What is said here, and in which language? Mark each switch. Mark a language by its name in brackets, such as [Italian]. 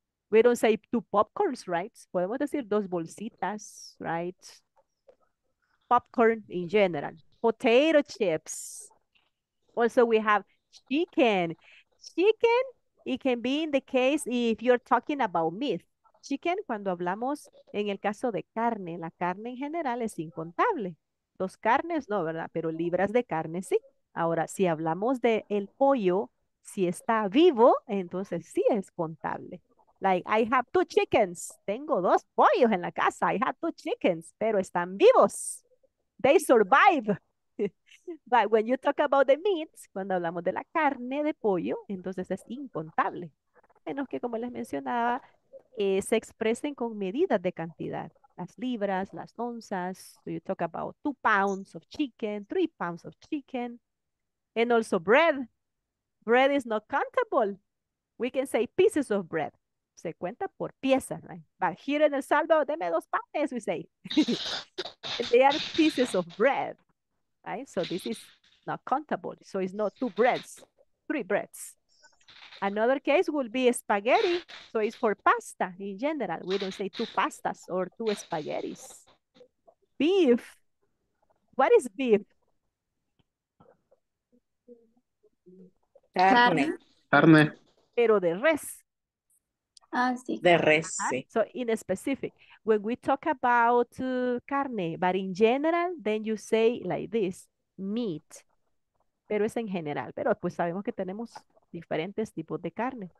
[English] We don't say two popcorns, right? [Spanish] Podemos decir dos bolsitas, [English] right? Popcorn in general. Potato chips. Also, we have chicken. Chicken, it can be in the case if you're talking about meat. [Spanish] Chicken, cuando hablamos en el caso de carne, la carne en general es incontable. Dos carnes, no, ¿verdad? Pero libras de carne, sí. Ahora, si hablamos de el pollo, si está vivo, entonces sí es contable. [English] Like, I have two chickens. [Spanish] Tengo dos pollos en la casa. [English] I have two chickens, [Spanish] pero están vivos. [English] They survive. But when you talk about the meat, [Spanish] cuando hablamos de la carne de pollo, entonces es incontable. Menos que, como les mencionaba, se expresen con medidas de cantidad. Las libras, las onzas. [English] So you talk about 2 pounds of chicken, 3 pounds of chicken. And also bread. Bread is not countable. We can say pieces of bread. [Spanish] Se cuenta por piezas, [English] right? But here in El Salvador, [Spanish] deme dos panes, [English] we say. They are pieces of bread, right? So this is not countable. So it's not 2 breads, 3 breads. Another case will be spaghetti. So it's for pasta in general. We don't say 2 pastas or 2 spaghettis. Beef. What is beef? [Spanish] Carne. Pero de res. Sí. De res, sí. [English] So in specific, when we talk about carne, but in general, then you say like this, meat. [Spanish] Pero es en general, pero pues sabemos que tenemos diferentes tipos de carne.